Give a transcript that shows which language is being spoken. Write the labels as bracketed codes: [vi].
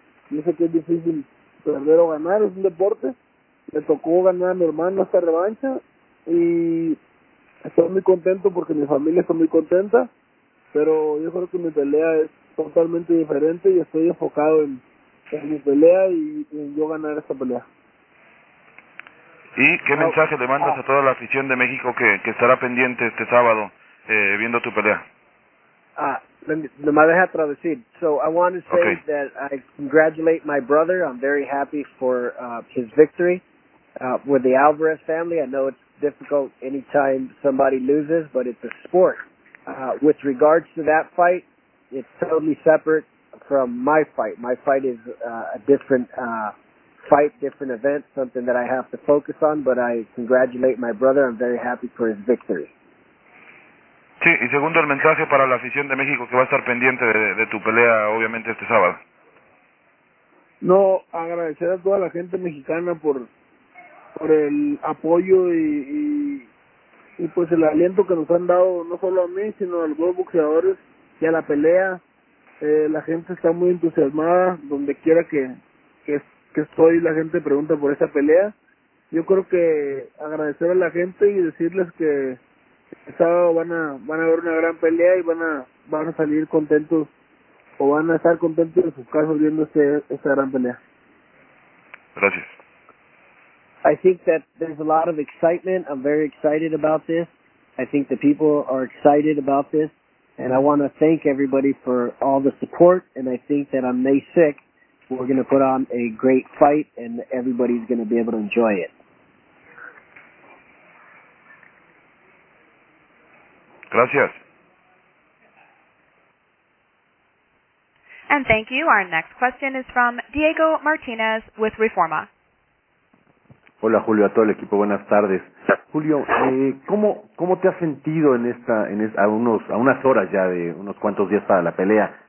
[es] Yo sé que es difícil perder o ganar, es un deporte. Le tocó ganar a mi hermano esta revancha y estoy muy contento porque mi familia está muy contenta, pero yo creo que mi pelea es totalmente diferente y estoy enfocado en mi pelea y en yo ganar esta pelea. ¿Y qué mensaje le mandas a toda la afición de México que estará pendiente este sábado viendo tu pelea? Nomás deja traducir. [en] So I want to say that I congratulate my brother. I'm very happy for his victory with the Alvarez family. I know it's difficult anytime somebody loses, but it's a sport. With regards to that fight, it's totally separate from my fight. My fight is a different fight, different event, something that I have to focus on, but I congratulate my brother. I'm very happy for his victory. [es] Sí, y segundo, el mensaje para la afición de México que va a estar pendiente de tu pelea, obviamente, este sábado. No, agradecer a toda la gente mexicana por el apoyo y pues el aliento que nos han dado, no solo a mí, sino a los boxeadores y a la pelea. La gente está muy entusiasmada, donde quiera que estoy, la gente pregunta por esa pelea. Yo creo que agradecer a la gente y decirles que el sábado van a ver una gran pelea y van a salir contentos o van a estar contentos en sus casas viendo esta gran pelea. Gracias. [en] I think that there's a lot of excitement. I'm very excited about this. I think the people are excited about this. And I want to thank everybody for all the support. And I think that on May 6th, we're going to put on a great fight and everybody's going to be able to enjoy it. [es] Gracias. [en] And thank you. Our next question is from Diego Martinez with Reforma. [es] Hola, Julio, a todo el equipo. Buenas tardes. Julio, ¿cómo te has sentido a unas horas ya de unos cuantos días para la pelea?